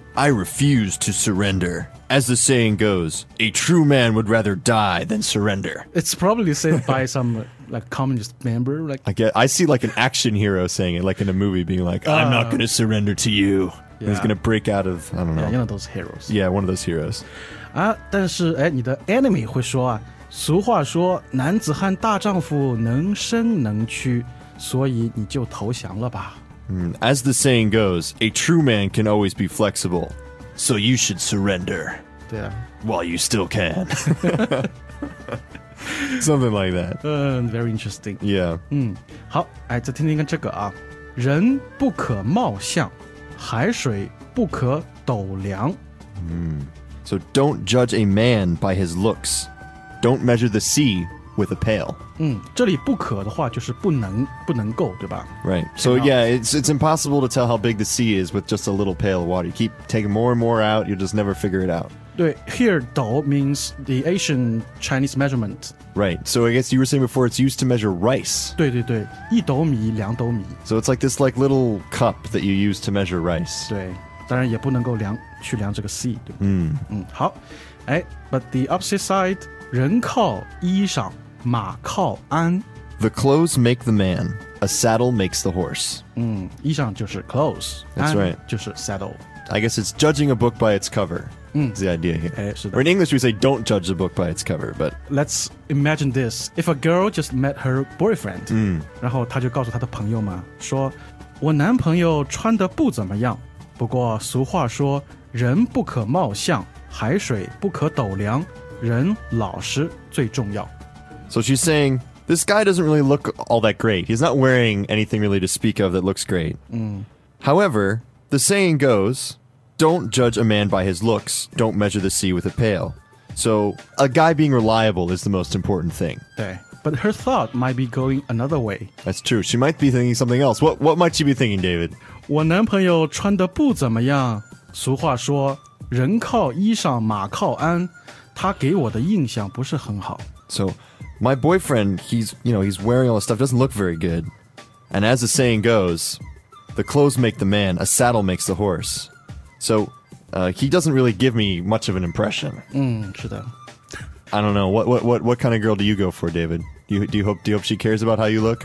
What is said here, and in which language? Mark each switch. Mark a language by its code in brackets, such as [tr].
[en] I refuse to surrender. As the saying goes, a true man would rather die than surrender. It's probably said by some like communist member. Like, I guess, I see like an action hero saying it, like in a movie, being like, I'm not going to surrender to you. Yeah. He's going to break out of, I don't know. Yeah, one of those heroes. Yeah, one of those heroes. [zh] 但是你的enemy会说啊, 俗话说男子汉大丈夫能生能屈, 所以你就投降了吧。 [en] As the saying goes, a true man can always be flexible, so you should surrender. [zh] 对啊, [en] while you still can. Something like that. Very interesting. Yeah. [zh] 好, 哎, 再听听看这个啊, 人不可貌相, 海水不可斗量。 [en] So don't judge a man by his looks. Don't measure the sea with a pail. [zh] 这里不可的话就是不能够，对吧? [en] Right. So yeah, it's impossible to tell how big the sea is with just a little pail of water. You keep taking more and more out, you'll just never figure it out. 对, here, 斗 means the Asian Chinese measurement. Right. So I guess you were saying before it's used to measure rice. [zh] 对对对, 一斗米, 两斗米。 [en] So it's like this like little cup that you use to measure rice. [zh] 对, 当然也不能够量, 去量这个sea, 对不对? 好, 哎, [en] but the opposite side, [zh] 人靠衣裳, 马靠鞍。 [en] The clothes make the man, a saddle makes the horse. [zh] 衣裳就是 clothes. [en] That's right. [zh] 就是 saddle. [en] I guess it's judging a book by its cover. Is the idea here. 哎, or in English we say don't judge the book by its cover, but let's imagine this. If a girl just met her boyfriend, [zh] 然后她就告诉她的朋友嘛,说我男朋友穿得不怎么样,不过俗话说人不可貌相,海水不可斗量。 [en] So she's saying, this guy doesn't really look all that great. He's not wearing anything really to speak of that looks great. However, the saying goes, don't judge a man by his looks, don't measure the sea with a pail. So a guy being reliable is the most important thing. But her thought might be going another way. That's true. She might be thinking something else. What might she be thinking, David? [zh] 我男朋友穿得不怎么样, 俗话说, 人靠衣裳马靠鞍，他给我的印象不是很好。 [en] So my boyfriend, he's, you know, he's wearing all this stuff, doesn't look very good. And as the saying goes, the clothes make the man, a saddle makes the horse. So he doesn't really give me much of an impression. [zh] 是的。 [en] I don't know, what kind of girl do you go for, David? Do you hope she cares about how you look?